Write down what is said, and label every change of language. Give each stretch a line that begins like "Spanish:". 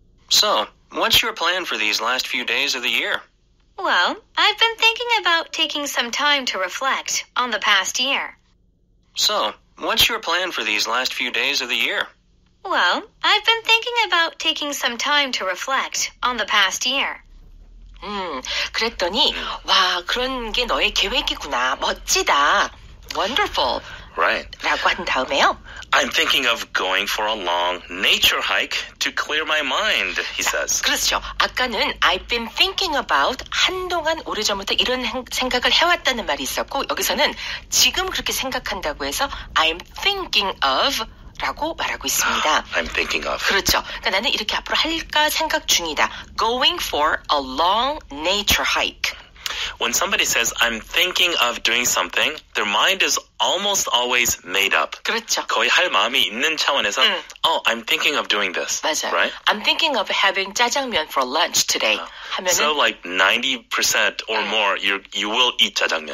English: So, what's your plan for these last few days of the year? Well, I've been thinking about taking some time to reflect on the past year. So, what's your plan for these last few days of the year? Well, I've been thinking about taking some time to reflect on the past year.
Korean: 그랬더니, 와, 그런 게 너의 계획이구나. 멋지다.
English: Wonderful. Right.
Korean: 라고 한 다음에요.
English: I'm thinking of going for a long nature hike to clear my mind, he says.
Korean: 그렇죠. 아까는
English: I've been thinking about
Korean: 한동안 오래전부터 이런 생각을 해왔다는 말이 있었고 여기서는 지금 그렇게 생각한다고 해서
English: I'm thinking of
Korean: 라고 말하고 있습니다.
English: I'm thinking of.
Korean: 그렇죠. 그러니까 나는 이렇게 앞으로 할까 생각 중이다.
English: Going for a long nature hike. When somebody says, I'm thinking of doing something, their mind is almost always made up.
Korean: 그렇죠. 거의 할 마음이 있는 차원에서,
English: oh, I'm thinking of doing this.
Korean: 맞아요.
English: Right? I'm thinking of having 짜장면 for lunch today.
Korean: 하면은,
English: so like 90% or more, you will eat 짜장면.